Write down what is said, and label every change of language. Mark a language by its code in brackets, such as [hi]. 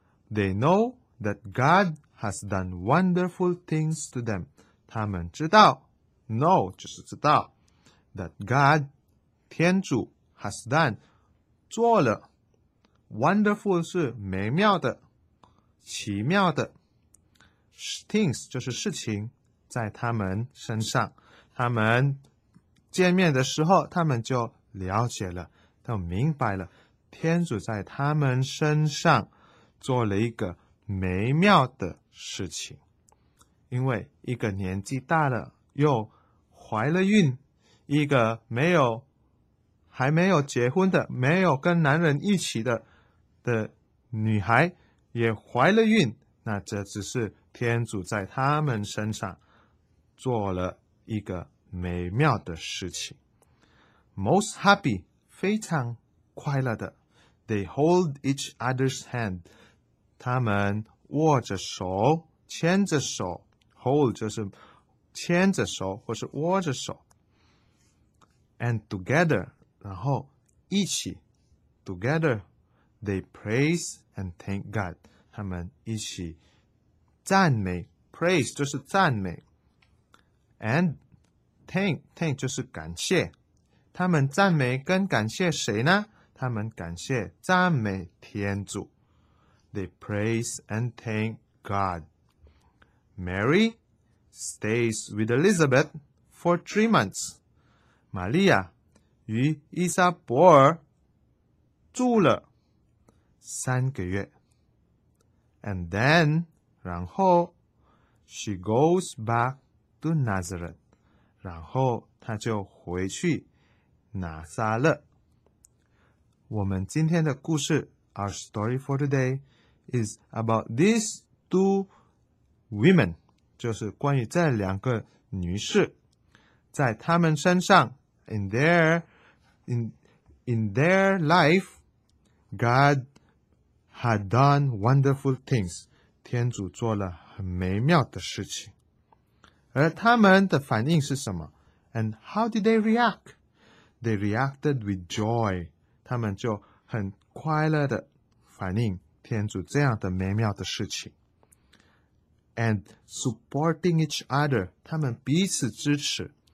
[en] They know that God has done wonderful things to them， [zh] 他们知道 [en] know [zh] 就是知道 [en] that God 天主 has done [zh] 做了 [en] wonderful [zh] 是美妙的奇妙的 [en] things [zh] 就是事情在他们身上。他们见面的时候他们就了解了，都明白了，天主在他们身上做了一个美妙的事情。因为一个年纪大了又怀了孕，一个还没有结婚的，没有跟男人一起的女孩也怀了孕，那这只是天主在他们身上做了一个美妙的事情。 [en] Most happy， [zh] 非常快乐的。 [en] They hold each other's hand， [zh] 他们握着手，牵着手。 Hold 就是牵着手或是握着手。 [en] And together， [zh] 然后一起。 [en] Together， they praise and thank God， [zh] 他们一起赞美。 Praise 就是赞美。 [en] And thank [zh] 就是感谢。他们赞美跟感谢谁呢？他们感谢赞美天主。 [en] They praise and thank God. Mary stays with Elizabeth for 3 months. [zh] 玛利亚与伊莎伯尔住了3个月。 [en] And then, [zh] 然后 [en] she goes back to Nazareth. [zh] 然后她就回去拿撒勒。我们今天的故事 [en] Our story for today is about these two women， [zh] 就是关于这两个女士在她们身上 [en] in their life God had done wonderful things， [zh] 天主做了很美妙的事情。而她们的反应是什么？ [en] And how did they react？ They reacted with joy， [zh] 他们就很快乐的反应天主这样的美妙的事情。 [en] And supporting each other， [zh] 他们彼此支持。